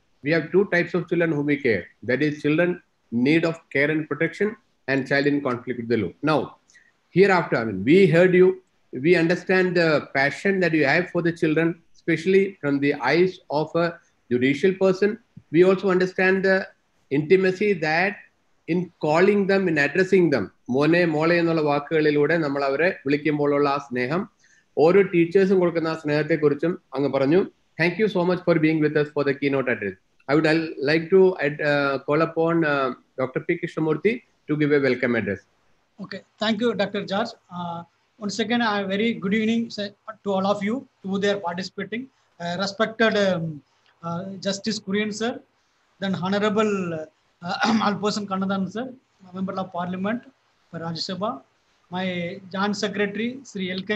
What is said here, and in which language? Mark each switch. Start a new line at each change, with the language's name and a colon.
English: We have two types of children whom we care. That is, children need of care and protection, and child in conflict with the law. Now, hereafter, I mean, we heard you. We understand the passion that you have for the children, especially from the eyes of a judicial person. We also understand the intimacy that in calling them, in addressing them,
Malayalam: Mone, Mole, എന്നുള്ള വാക്കുകളിലൂടെ നമ്മൾ അവരെ വിളിക്കുമ്പോഴുള്ള ആ സ്നേഹം, ഓരോ ടീച്ചേഴ്സും കൊടുക്കുന്ന ആ സ്നേഹത്തെ കുറിച്ചും അങ്ങ് പറഞ്ഞു.
English: Thank you so much for being with us for the keynote address. I would like to call upon doctor P Krishnamurthy to give a welcome address. Okay, thank you doctor George. Once again, a very good evening to all of you who are participating. Respected Justice Kurian sir, then Honorable Alphonse Kannadhan sir, Member of Parliament for Rajya Sabha, my Joint Secretary Sri L.K.